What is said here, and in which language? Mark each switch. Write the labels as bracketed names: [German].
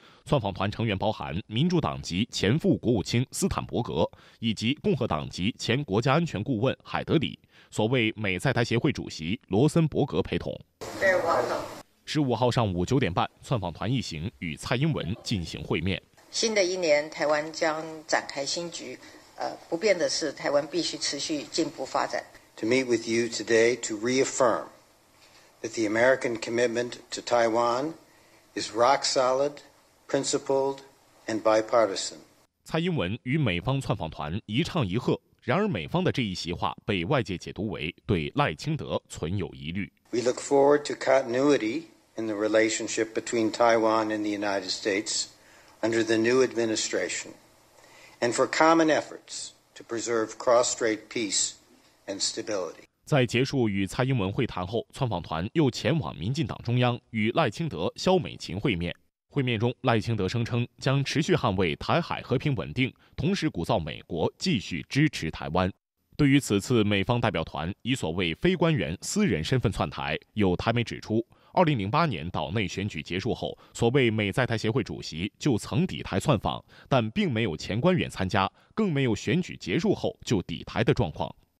[Chinese] 窜访团成员包含民主党籍前副国务卿斯坦伯格，以及共和党籍前国家安全顾问海德里，所谓美在台协会主席罗森伯格陪同。 15号上午9点半，窜访团一行与蔡英文进行会面。新的一年台湾将展开新局，不变的是台湾必须持续进步发展。 [English] To meet with you today to reaffirm that the American commitment to Taiwan is rock solid, principled, and bipartisan. [Chinese] 蔡英文与美方窜访团一唱一和，然而美方的这一席话被外界解读为对赖清德存有疑虑。 [English] We look forward to continuity in the relationship between Taiwan and the United States under the new administration, and for common efforts to preserve cross-strait peace and stability. [Chinese] 在结束与蔡英文会谈后，窜访团又前往民进党中央与赖清德、萧美琴会面。会面中，赖清德声称将持续捍卫台海和平稳定，同时鼓噪美国继续支持台湾。对于此次美方代表团以所谓非官员私人身份窜台，有台媒指出，2008年岛内选举结束后，所谓美在台协会主席就曾抵台窜访，但并没有前官员参加，更没有选举结束后就抵台的状况。